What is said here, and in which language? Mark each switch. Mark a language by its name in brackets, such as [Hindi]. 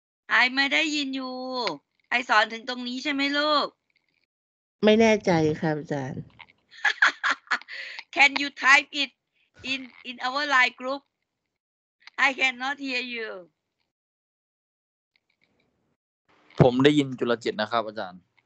[Thai] ไอไม่ได้ยินอยู่ไอสอนถึงตรงนี้ใช่ไหมลูก ไม่แน่ใจครับอาจารย์ [English] Can you type it in our line group I cannot hear you [Thai] ผมได้ยินจุลจิตนะครับอาจารย์